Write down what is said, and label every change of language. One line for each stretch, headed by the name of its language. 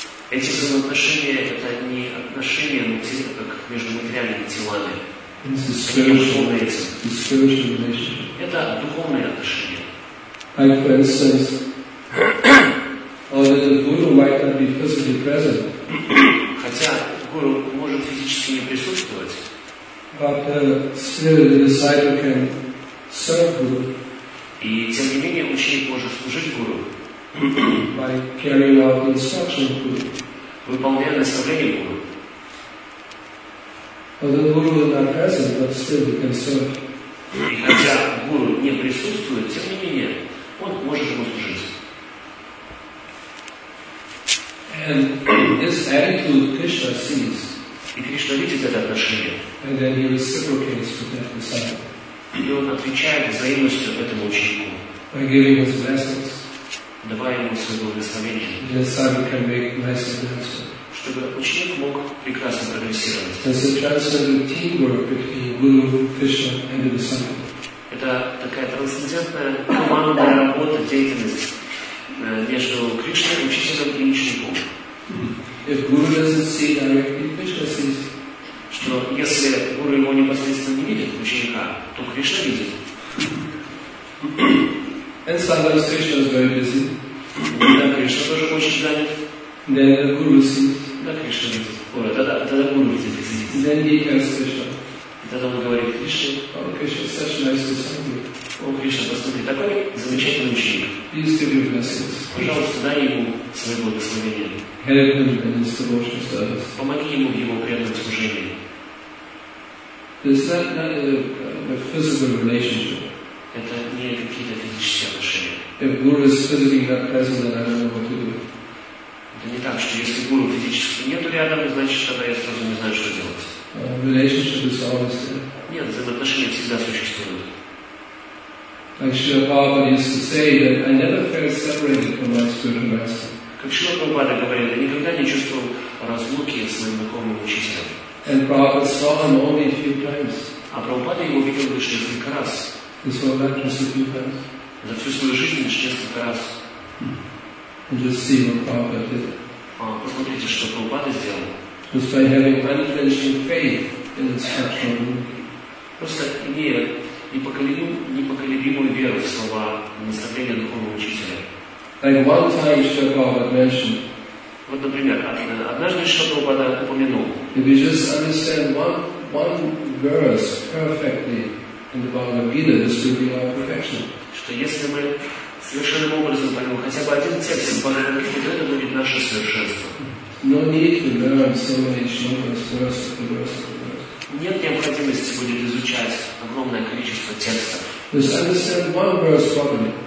Russian: Эти взаимоотношения это не отношения, но как между материальными телами.
English: It's a spiritual relationship.
Russian: Это духовные отношения.
English: Like for instance. Although the guru might not be physically present,
Russian: хотя гуру может физически не присутствовать,
English: but still the disciple can serve guru.
Russian: И тем не менее ученик может служить гуру.
English: By carrying out the instruction of guru.
Russian: Выполняя наставление гуру.
English: Although guru is not present, but still he can serve.
Russian: И хотя гуру не присутствует, тем не менее он может ему служить.
English: And this attitude Krishna sees.
Russian: И Кришна видит это отношение.
English: And then he reciprocates to that disciple.
Russian: И он отвечает взаимностью этому ученику.
English: By giving his blessings.
Russian: Давая ему свое благословение.
English: The disciple can make nice advances.
Russian: Чтобы ученик мог прекрасно прогрессировать.
English: There's a transcendental teamwork between Guru, Krishna, and the disciple.
Russian: Это такая трансцендентная командная работа, деятельность. Между Кришной, учителем и учеником.
English: If Guru doesn't see directly, Krishna sees.
Russian: Что если Гуру его непосредственно не видит, ученика, то Кришна видит.
English: And sometimes Krishna is very busy.
Russian: Да, Кришна тоже очень занят.
English: Then the Guru sees.
Russian: Да, Кришна видит. Ура, тогда Гуру видит, извините.
English: Then he tells Krishna.
Russian: И тогда он говорит Кришне.
English: Oh, Krishna is such nice to see you.
Russian: О, Кришна, посмотри, такой замечательный ученик.
English: Please give your blessings.
Russian: Пожалуйста, дай ему свое благословение.
English: Help him in his devotional service.
Russian: Помоги ему в его преданном служении.
English: Is that not a physical relationship?
Russian: Это не какие-то физические отношения.
English: If Guru is physically not present, then I don't know what to do.
Russian: Это не так, что если Гуру физически нету рядом, значит, тогда я сразу не знаю, что делать.
English: Relationship is always there.
Russian: Нет, взаимоотношения всегда существуют.
English: Like Srila Prabhupada used to say that I never felt separated from my spiritual master.
Russian: Как Шрила Прабхупада говорил, я никогда не чувствовал разлуки с моим духовным учителем.
English: And Prabhupada saw him only a few times.
Russian: А Прабхупада его видел лишь несколько раз.
English: He saw that just a few times.
Russian: За всю свою жизнь лишь несколько раз.
English: And just see what Prabhupada did.
Russian: Посмотрите, что Прабхупада сделал.
English: Just by having unflinching faith in the instructional room.
Russian: Просто имея непоколебимую веру в слова наставления духовного учителя.
English: Like one time Srila Prabhupada mentioned.
Russian: Вот, например, однажды Шрила Прабхупада упомянул.
English: If you just understand one verse perfectly in the Bhagavad Gita, this will be our perfection.
Russian: Что если мы совершенным образом поймем хотя бы один текст в Бхагавад Гите, это будет наше совершенство.
English: No need to learn so many shlokas, verse after verse after verse.
Russian: Нет необходимости будет изучать огромное количество текстов.
English: Just understand one verse properly.